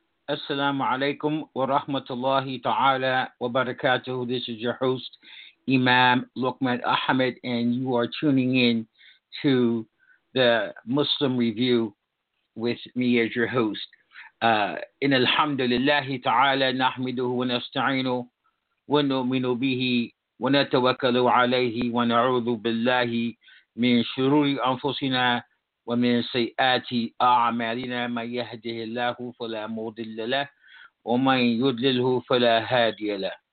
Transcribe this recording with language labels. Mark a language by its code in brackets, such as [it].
[ar] السلام عليكم ورحمة الله تعالى وبركاته. [en] This is your host, Imam Luqman Ahmed, and you are tuning in to the Muslim Review with me as your host. [ar] إن الحمد لله تعالى نحمده ونستعينه ونؤمن به ونتوكل عليه ونعوذ بالله من شرور أنفسنا ومن سيئات أعمالنا. من يهده الله فلا مضل له ومن يضلله فلا هادي له.